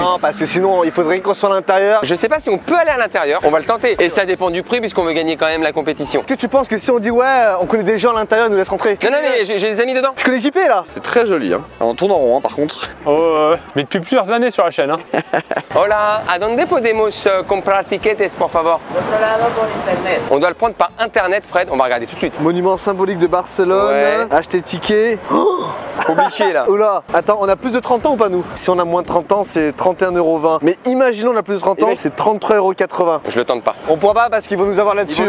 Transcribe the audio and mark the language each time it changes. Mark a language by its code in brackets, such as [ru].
[fr] Non, parce que sinon, il faudrait qu'on soit à l'intérieur. Je sais pas si on peut aller à l'intérieur. On va le tenter. Et ça dépend du prix, puisqu'on veut gagner quand même la compétition. Que tu penses que si on dit ouais, on connaît des gens à l'intérieur, ils nous laissent rentrer? Non, mais j'ai des amis dedans. Je connais JP là. C'est très joli, hein. On tourne en rond, hein, par contre. Oh, mais depuis plusieurs années sur la chaîne, hein. [es] Hola, ¿a dónde podemos comprar tiquetes, por favor? [fr] On doit le prendre par internet, Fred. On va regarder tout de suite. Monument symbolique de Barcelone. Ouais. Acheter ticket. Obligé là. Oula, attends, on a plus de 30 ans ou pas nous? Si on a moins de 30 ans, c'est 31,20€. Mais imaginons on a plus de 30 ans, c'est 33,80€. Je le tente pas. On pourra pas parce qu'ils vont nous avoir là-dessus.